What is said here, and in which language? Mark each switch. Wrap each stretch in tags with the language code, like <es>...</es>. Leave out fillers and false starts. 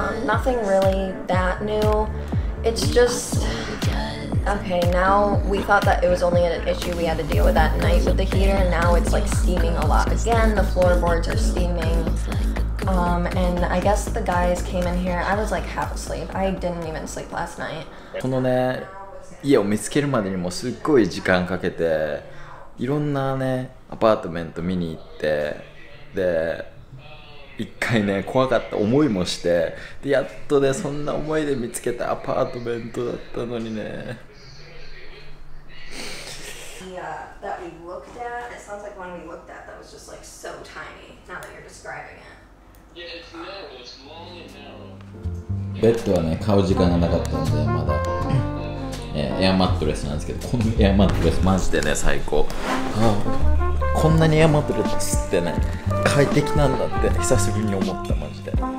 <en>Nothing really that new. It's just... Okay, now we thought that it was only an issue we had to deal with that night with the heater, and now it's like steaming a lot again. The floorboards are steaming. And I guess the guys came in here. I was like half asleep. I didn't even sleep last night.</en> <ja>このね、家を見つけるまでにもすっごい時間かけて、いろんなね、アパートメント見に行って、で、一回ね、怖かった思いもして、で、やっとね、そんな思いで見つけたアパートメントだったのにね。</ja> <en>That we looked at, it sounds like one we looked at that was just like so tiny, now that you're describing it. Yeah, it's narrow, it's long and narrow.</en> <ja>ベッドはね、買う時間がなかったんで、まだ。エアマットレスなんですけど、このエアマットレスマジでね最高。あ、こんなにエアマットレスってね快適なんだって久しぶりに思ったマジで。</ja>